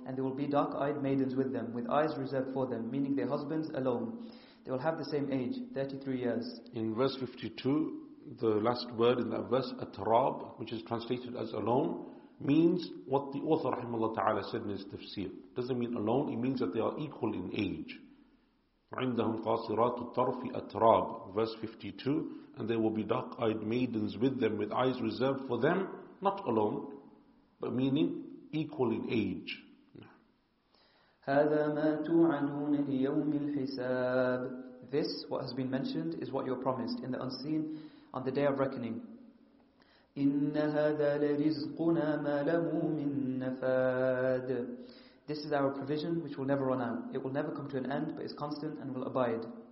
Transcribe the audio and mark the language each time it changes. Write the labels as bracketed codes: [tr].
[en] And there will be dark-eyed maidens with them, with eyes reserved for them, meaning their husbands alone. They will have the same age, 33 years. In verse 52, the last word in that verse, atrab, which is translated as alone, means what the author, rahimahullah ta'ala, said in his tafsir. Doesn't mean alone, it means that they are equal in age. [ar] عندهم قاصرات الطرف أتراب. [en] Verse 52, and there will be dark-eyed maidens with them, with eyes reserved for them, not alone, but meaning equal in age. [ar] هذا ما توعدون ليوم الحساب. [en] this, what has been mentioned, is what you are promised in the unseen on the day of reckoning. [ar] إِنَّ هَذَا لَرِزْقُنَا مَا لَهُ مِن نَفَادٍ. [en] This is our provision which will never run out. It will never come to an end, but is constant and will abide.